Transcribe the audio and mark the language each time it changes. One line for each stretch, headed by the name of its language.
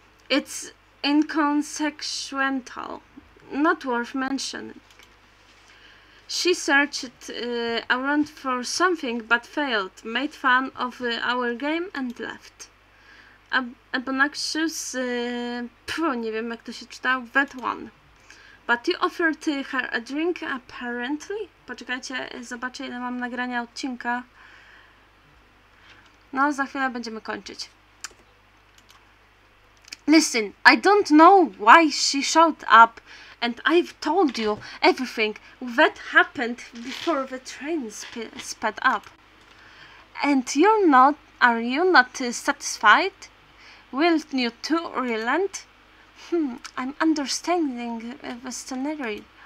English: It's inconsequential, not worth mentioning. She searched around for something but failed, made fun of our game and left.
Polish: Obnoxious, nie wiem jak to się czytał,
English: that one. But you offered her a drink, apparently?
Polish: Poczekajcie, zobaczę ile mam nagrania odcinka. No, za chwilę będziemy kończyć.
English: Listen, I don't know why she showed up, and I've told you everything that happened before the train sped up. And you're not, are you not satisfied? Will you two relent? I'm understanding the scenario.